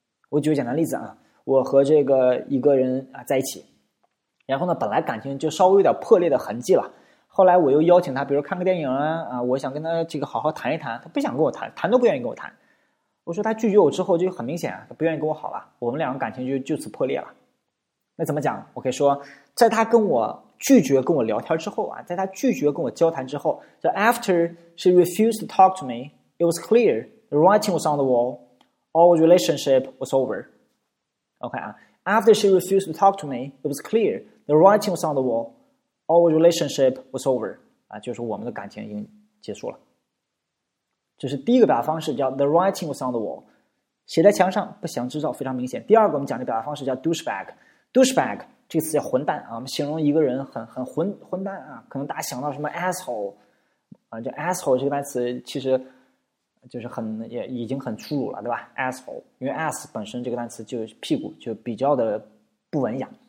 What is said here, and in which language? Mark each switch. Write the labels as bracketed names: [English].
[Chinese] 我举个简单例子啊，我和这个一个人啊在一起，然后呢本来感情就稍微有点破裂的痕迹了，后来我又邀请他比如看个电影啊，我想跟他这个好好谈一谈，他不想跟我谈，谈都不愿意跟我谈。我说他拒绝我之后就很明显啊，他不愿意跟我好了，我们两个感情就此破裂了。那怎么讲？我可以说在他跟我拒绝跟我聊天之后啊，在他拒绝跟我交谈之后，就 [English] after she refused to talk to me, it was clear the writing was on the wall, our relationship was over. OK 啊， after she refused to talk to me, it was clear the writing was on the wall, our relationship was over. [Chinese] 啊，就是我们的感情已经结束了。这是第一个表达方式，叫 [English] the writing was on the wall， [Chinese] 写在墙上，不祥之兆非常明显。第二个我们讲的表达方式叫 douchebag， douchebag。这个词叫混蛋啊，我们形容一个人很混蛋啊，可能大家想到什么 asshole 啊，就 asshole 这个单词其实就是很也已经很粗鲁了，对吧 ？asshole， 因为 ass 本身这个单词就屁股就比较的不文雅。